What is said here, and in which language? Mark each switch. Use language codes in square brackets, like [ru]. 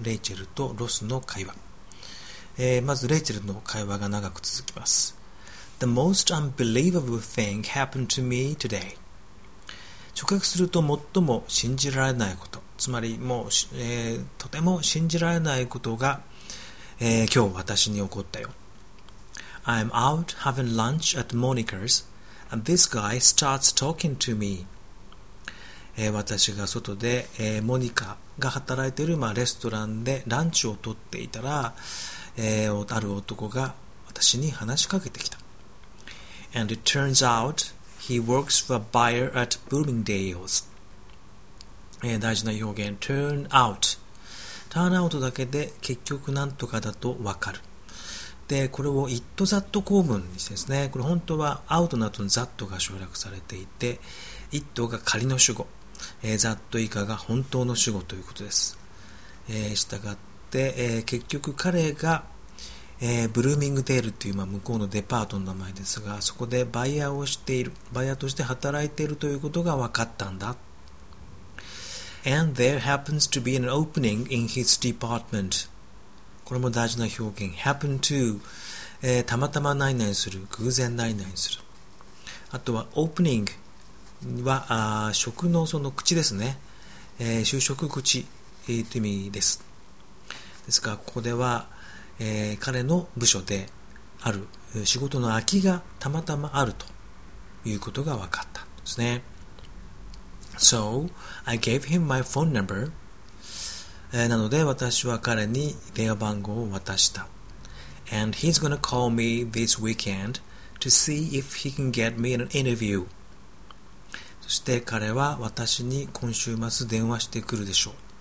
[ja] レイチェルとロスの会話。まずレイチェルの会話が長く続きます。 [en] The most unbelievable thing happened to me today。 [ja] 直訳すると最も信じられないこと、つまりもう、とても信じられないことが、今日私に起こったよ。 [en] I'm out having lunch at Monica's and this guy starts talking to me。 [ja] 私が外で、モニカが働いている、まあ、レストランでランチをとっていたら、ある男が私に話しかけてきた。 [en] And it turns out he works for a buyer at Bloomingdale's。 [ja] 大事な表現 turn out。turn out だけで結局なんとかだとわかる。でこれを it that 構文にしてですね、これ本当は out などの that が省略されていて、 it が仮の主語、ざっと以下が本当の主語ということです。したがって、結局彼が、ブルーミングデールという、まあ、向こうのデパートの名前ですが、そこでバイヤーをしている、バイヤーとして働いているということが分かったんだ。 [en] And there happens to be an opening in his department。 [ja] これも大事な表現 happen to、たまたま何々する、偶然何々する。あとは openingは食のその口ですね。就職口という意味です。ですからここでは、彼の部署である仕事の空きがたまたまあるということが分かったんですね。 [en] So I gave him my phone number。 [ja] なので私は彼に電話番号を渡した。 [en] And he's gonna call me this weekend to see if he can get me an interview。 [ja] そして彼は私に今週末電話してくるでしょう。